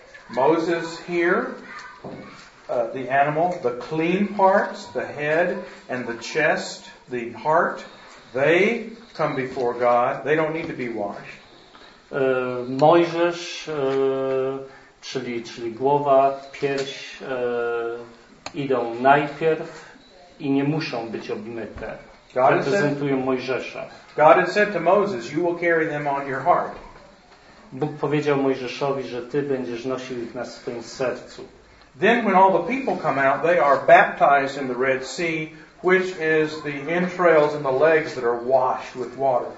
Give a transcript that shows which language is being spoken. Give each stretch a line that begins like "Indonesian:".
English: Moses here, the animal, the clean parts, the head and the chest, the heart, they come before God. They don't need to be washed.
Polish: Mojżesz, czyli głowa, pierś, idą najpierw i nie muszą być obmyte. Reprezentują Mojżesza.
English: God had said to Moses, "You will carry them on your heart."
Polish: Bóg powiedział Mojżeszowi, że ty będziesz nosił ich na swoim sercu.
English: Then when all the people come out, they are baptized in the Red Sea, which is the entrails and the legs that are washed with water.